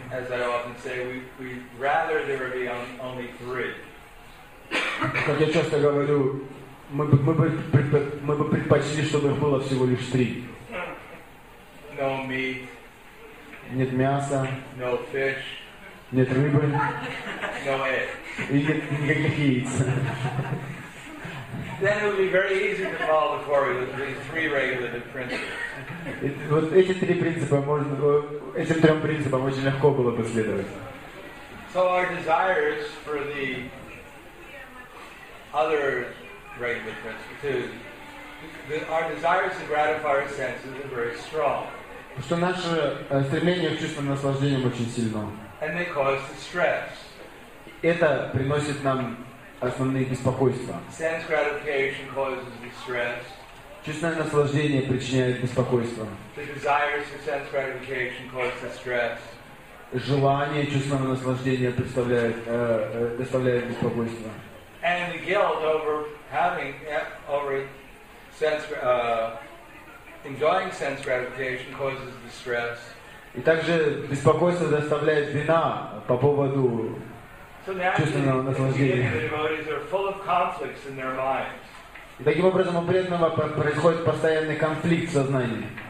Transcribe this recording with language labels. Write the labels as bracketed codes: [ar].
[en] As I often say, we rather there be only three. [ru] Как я часто говорю, мы бы предпочли, чтобы их было всего лишь три. [en] No meat. [ru] Нет мяса. [en] No fish. [ru] Нет рыбы. [en] No egg. [ru] И нет никаких яиц. [en] Then it would be very easy to follow the four with three regulative principles. [ru] Вот эти три принципа можно, этим трем принципам очень легко было бы следовать. [en] So our desires for the other regular principles, our desires to gratify our senses are very strong. [ru] Что наше стремление к чувствам наслаждения очень сильно. [en] And they cause the stress. [ru] Это приносит нам основные беспокойства. [en] Sense gratification causes the stress. [ru] Чувственное наслаждение причиняет беспокойство. [en] The desires for sense gratification causes the stress. [ru] Желание чувственного наслаждения доставляет беспокойство. [en] And the guilt over having over sense enjoying sense gratification causes the stress. [ru] И также беспокойство доставляет вина по поводу чувственного наслаждения. [en] So naturally, the devotees are full of conflicts in their minds. [ru] И таким образом у преданного происходит постоянный конфликт сознания.